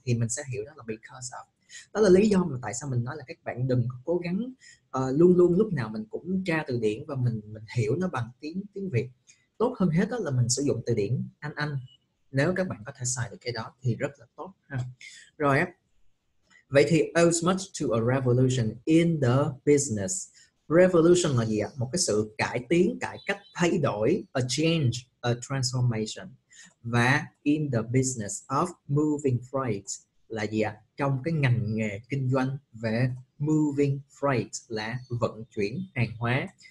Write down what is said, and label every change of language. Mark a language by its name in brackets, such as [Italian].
[Vietnamese] Thì mình sẽ hiểu đó là because of. Đó là lý do mà tại sao mình nói là các bạn đừng cố gắng luôn luôn lúc nào mình cũng tra từ điển và mình hiểu nó bằng tiếng tiếng Việt. Tốt hơn hết đó là mình sử dụng từ điển Anh. Nếu các bạn có thể xài được cái đó thì rất là tốt ha. Rồi, Vậy thì [English] owes much to a revolution in the business. [Vietnamese] Revolution là gì ạ? Một cái sự cải tiến, cải cách, thay đổi, [English] a change, a transformation. [Vietnamese] Và [English] in the business of moving freight [Vietnamese] là gì ạ? Trong cái ngành nghề kinh doanh về moving freight là vận chuyển hàng hóa.